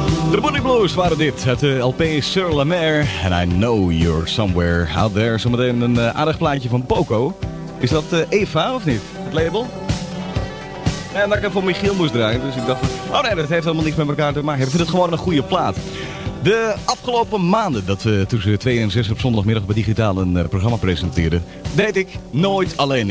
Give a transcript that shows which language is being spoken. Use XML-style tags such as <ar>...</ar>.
<nl>De Bunny Blues waren dit, het LP Sur La Mer.</nl> <en>And I know you're somewhere out there.</en> <nl>Zometeen een aardig plaatje van Poco. Is dat Eva of niet, het label? En dat ik voor Michiel moest draaien, dus ik dacht van, oh nee, dat heeft helemaal niks met elkaar te maken. Ik vind het gewoon een goede plaat. De afgelopen maanden dat we tussen 2 en 6 op zondagmiddag bij Digitaal een programma presenteerden, deed ik nooit alleen.</nl>